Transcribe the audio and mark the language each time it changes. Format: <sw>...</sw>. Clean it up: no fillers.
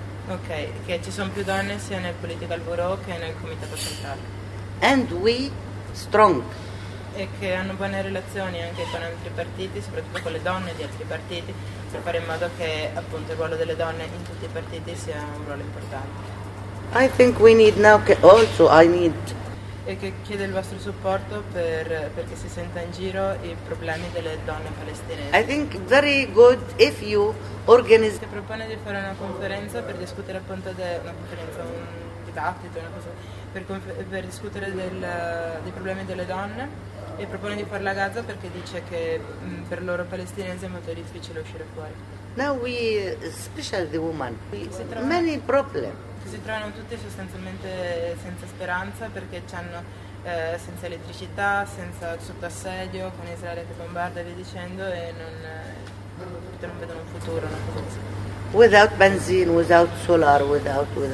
<it>Ok, che ci sono più donne sia nel</it> <en>political bureau</en> <it>che nel comitato centrale.</it> <en>And we strong.</en> <it>E che hanno buone relazioni anche con altri partiti, soprattutto con le donne di altri partiti, per fare in modo che appunto il ruolo delle donne in tutti i partiti sia un ruolo importante.</it> <en>I think we need now also I need.</en> <it>E che chiede il vostro supporto perché si senta in giro i problemi delle donne palestinesi.</it> <en>I think very good if you organize.</en> <it>Che propone di fare una conferenza per discutere appunto un dibattito, una cosa. Per discutere dei problemi delle donne, e propone di farla a Gaza perché dice che per loro palestinese è molto difficile uscire fuori.</it> <en>Now we special the woman. Many problem.</en> <it>Si trovano tutti sostanzialmente senza speranza perché c'hanno senza elettricità, senza sotto assedio, con Israele che bombarda e via dicendo, e non vedono un futuro, una cosa così.</it> <en>Without benzene, without solar, without.</en>